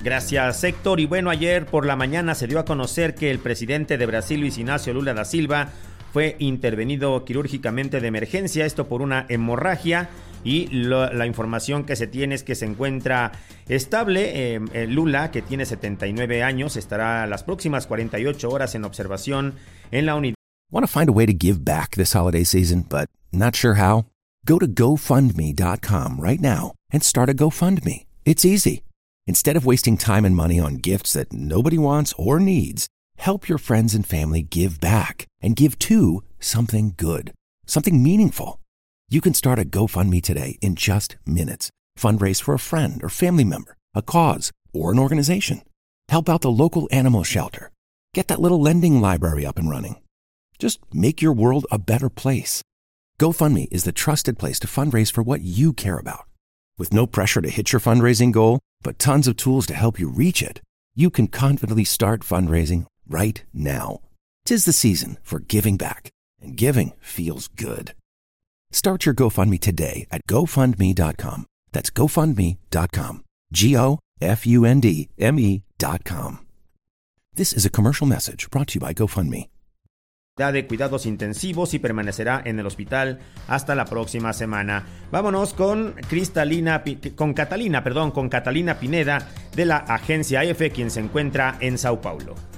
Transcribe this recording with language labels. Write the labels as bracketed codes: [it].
[es] Gracias, Héctor. Y bueno, ayer por la mañana se dio a conocer que el presidente de Brasil, Luis Inácio Lula da Silva, fue intervenido quirúrgicamente de emergencia, esto por una hemorragia, y la información que se tiene es que se encuentra estable. Lula, que tiene 79 años, estará las próximas 48 horas en observación en la unidad. [en] Want to find a way to give back this holiday season, but not sure how? Go to GoFundMe.com right now and start a GoFundMe. It's easy. Instead of wasting time and money on gifts that nobody wants or needs, help your friends and family give back and give to something good, something meaningful. You can start a GoFundMe today in just minutes. Fundraise for a friend or family member, a cause, or an organization. Help out the local animal shelter. Get that little lending library up and running. Just make your world a better place. GoFundMe is the trusted place to fundraise for what you care about. With no pressure to hit your fundraising goal, but tons of tools to help you reach it, you can confidently start fundraising right now. Tis the season for giving back, and giving feels good. Start your GoFundMe today at GoFundMe.com. That's GoFundMe.com. GoFundMe.com. This is a commercial message brought to you by GoFundMe. [es] De cuidados intensivos y permanecerá en el hospital hasta la próxima semana. Vámonos con Catalina Pineda de la agencia EFE, quien se encuentra en Sao Paulo.